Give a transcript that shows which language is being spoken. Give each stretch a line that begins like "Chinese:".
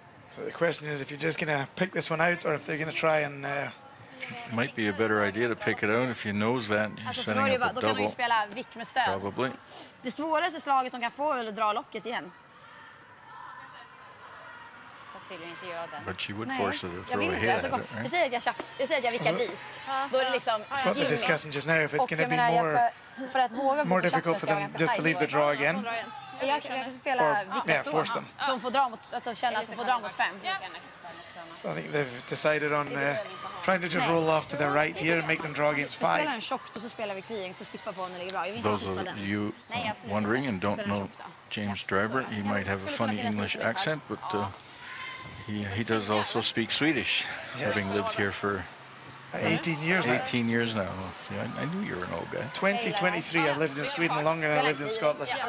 English: So the question is, if you're just going to pick this one out, or if they're going to try and... Might be a better idea to pick it out if you knows that. You're setting up a double. Probably.
Swedish: The svåraste slaget de kan få eller dra locket igen.
English: But she would force her to throw a hit.
Swedish: Jag säger att jag vickar dit. Då är det liksom.
English: That's what they're discussing just now. If it's going to be more difficult for them just to leave the draw again.
Swedish: Jag kan spela vilka zoner som får dra mot, alltså känna att de får dra mot fem.
English: So I think they've decided on trying to just roll off to their right here and make them draw against five.
Swedish: Spelar en tjockt och så spelar vi kliing, så skippar på när det är bra.
English: Those of you wondering and don't know James Driver, he might have a funny English accent, but he does also speak Swedish, yes. Having lived here for 18 years now. See, I knew you were an old guy. 2023, I lived in Sweden longer than I lived in Scotland.